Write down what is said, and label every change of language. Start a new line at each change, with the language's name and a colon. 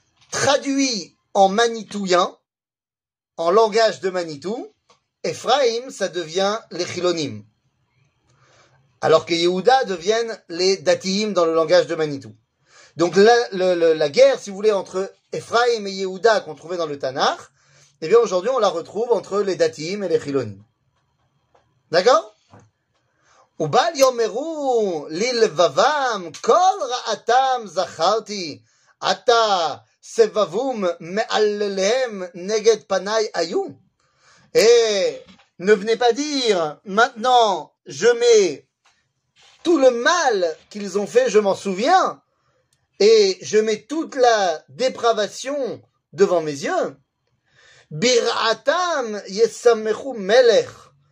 French: Traduit en manitouien, en langage de Manitou, Ephraim, ça devient les Chilonim. Alors que Yehuda deviennent les Datiim dans le langage de Manitou. Donc la guerre, si vous voulez, entre Ephraim et Yehuda qu'on trouvait dans le Tanakh, eh bien aujourd'hui on la retrouve entre les Datiim et les Chilonim. D'accord?
Hebrew: ובל יאמרו ללבבם כל רעתם זכרתי עתה סבבום מעלליהם נגד פניי היו.
French: Et ne venez pas dire maintenant je mets tout le mal qu'ils ont fait, je m'en souviens, et je mets toute la dépravation devant mes yeux.
Hebrew: ביראתם ישמחו מלך.